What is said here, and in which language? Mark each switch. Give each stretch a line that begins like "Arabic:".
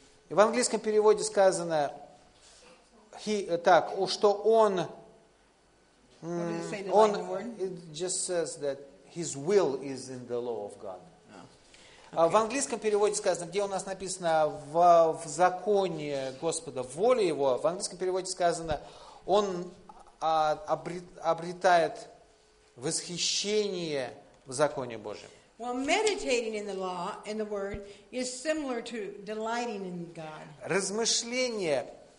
Russian: В английском переводе сказано, так, что он...
English: What does it say, delight in the Lord? It just says that his will is in the law of God. Okay.
Russian: В английском переводе сказано, где у нас написано в законе Господа, в воле Его, в английском переводе сказано, он обретает восхищение в законе Божьем.
English: Well, meditating in the law, in the word, is similar to delighting in God.